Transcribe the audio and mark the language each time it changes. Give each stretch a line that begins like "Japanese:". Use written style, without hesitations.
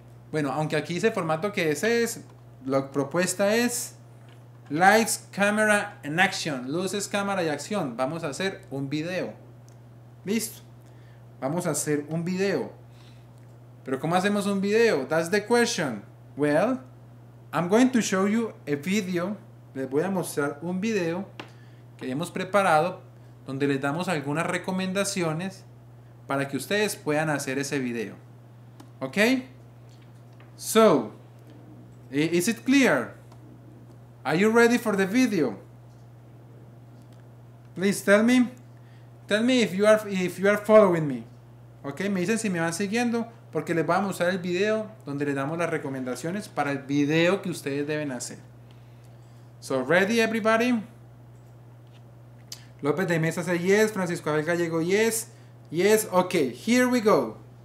Spanish: Bueno, aunque aquí dice formato que desees, la propuesta es
English: Lights, Camera and Action.
Spanish: Luces, cámara y acción. Vamos a hacer un video. Listo. vamos a hacer un video. Pero ¿cómo hacemos un video?
English: That's the question. Well, I'm going to show you a video.
Spanish: Les voy a mostrar un video que hemos preparado donde les damos algunas recomendaciones para que ustedes puedan hacer ese video.
English: ¿Ok? So, is it clear? Are you ready for the video? Please tell me. Tell me if you are following me. ¿Ok?
Spanish: Me dicen si me van siguiendo, porque les vamos a mostrar el video donde les damos las recomendaciones para el video que ustedes deben hacer.
English: So, ready everybody? López de Mesa say yes, Francisco Abel Gallego yes. Yes, okay, here we go.